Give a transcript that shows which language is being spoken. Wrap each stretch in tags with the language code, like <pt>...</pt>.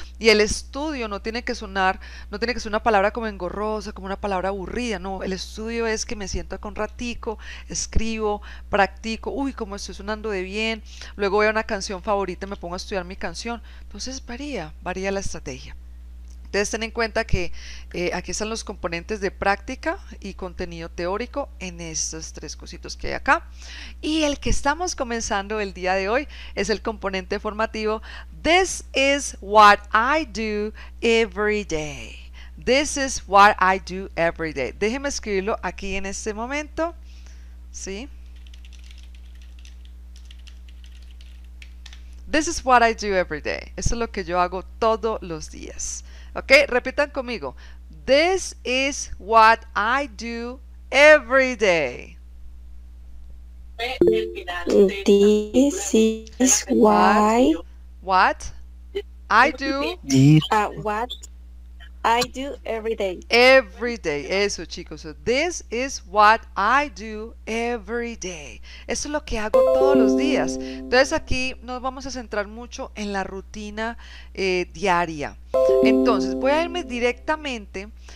<es>Y el estudio no tiene que sonar, no tiene que ser una palabra como engorrosa, como una palabra aburrida, no, el estudio es que me siento con ratico, escribo, practico, uy, cómo estoy sonando de bien, luego veo una canción favorita y me pongo a estudiar mi canción. Entonces varía la estrategia. Entonces ten en cuenta que aquí están los componentes de práctica y contenido teórico en estos tres cositos que hay acá. Y el que estamos comenzando el día de hoy es el componente formativo.</es> <en>This is what I do every day. This is what I do every day.</en> <es>Déjeme escribirlo aquí en este momento. ¿Sí?</es> <en>This is what I do every day.</en> <es>Eso es lo que yo hago todos los días. Ok, repitan conmigo.</es> <en>This is what I do every day. This is why What I do this what I do every day. every day.</en> <es>Eso, chicos.</es> <en>So, this is what I do every day.</en> <es>Eso es lo que hago todos los días. Entonces, aquí nos vamos a centrar mucho en la rutina diaria. Entonces, voy a irme directamente</es>